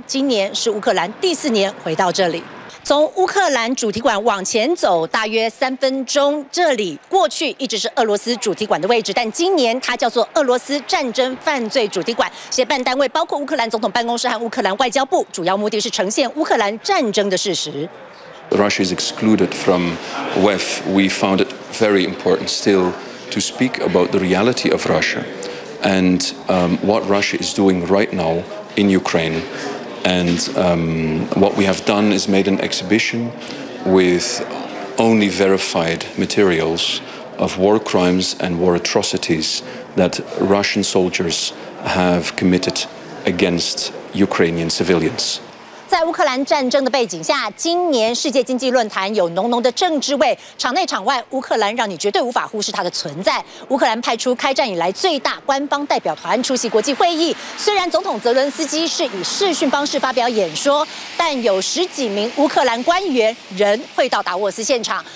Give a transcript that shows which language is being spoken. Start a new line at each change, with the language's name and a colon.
Chinese: 今年是乌克兰第四年回到这里。从乌克兰主题馆往前走大约3分钟，这里过去一直是俄罗斯主题馆的位置，但今年它叫做俄罗斯战争犯罪主题馆，协办单位包括乌克兰总统办公室和乌克兰外交部，主要目的是呈现乌克兰战争的事实。
English: Russia is excluded from WEF. We found it very important still to speak about the reality of Russia and what Russia is doing right now in Ukraine. And what we have done is made an exhibition with only verified materials of war crimes and war atrocities that Russian soldiers have committed against Ukrainian civilians.
Chinese: 在乌克兰战争的背景下，今年世界经济论坛有浓浓的政治味，场内场外，乌克兰让你绝对无法忽视它的存在。乌克兰派出开战以来最大官方代表团出席国际会议，虽然总统泽伦斯基是以视讯方式发表演说，但有十几名乌克兰官员人会到达沃斯现场。